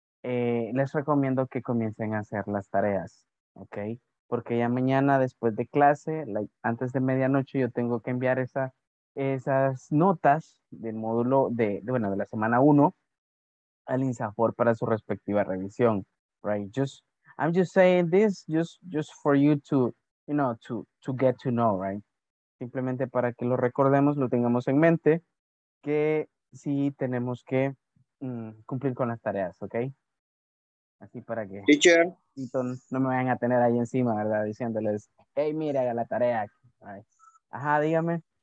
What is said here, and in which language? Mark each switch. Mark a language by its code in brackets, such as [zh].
[es] Les recomiendo que comiencen a hacer las tareas, ¿ok? Porque ya mañana después de clase, antes de medianoche, yo tengo que enviar esas notas del módulo de la semana 1 al INSAFORP para su respectiva revisión, right? [en] I'm just saying this just for you to, you know, to get to know, right? [es] Simplemente para que lo recordemos, lo tengamos en mente, que sí tenemos que cumplir con las tareas, ¿okay? Así para que [en] teacher [es] no me vayan a tener ahí encima, ¿verdad? Diciéndoles, hey, mira, haga la tarea. Ajá, dígame.